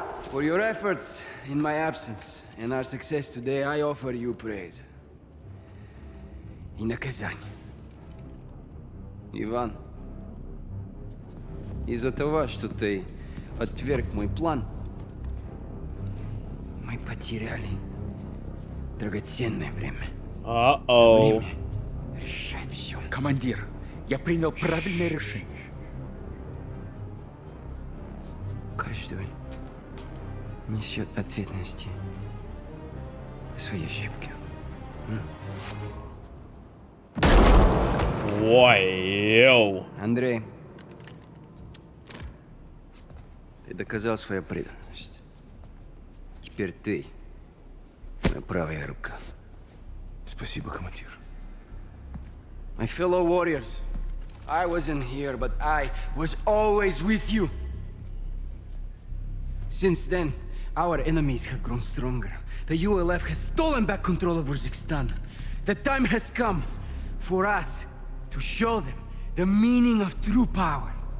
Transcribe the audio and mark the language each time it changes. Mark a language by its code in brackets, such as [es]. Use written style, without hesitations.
[en] For your efforts in my absence and our success today, I offer you praise. [ru] И наказание. Иван, из-за того, что ты отверг мой план, мы потеряли драгоценное время. Время решает все. Командир, я принял правильное решение. Каждый несет ответственности за свои ошибки. Вау! Андрей, ты доказал свою преданность. Теперь ты, моя правая рука. Спасибо, командир. [en] My fellow warriors, I wasn't here, but I was always with you. Since then, our enemies have grown stronger. The ULF has stolen back control of Uzbekistan. The time has come for us to show them the meaning of true power.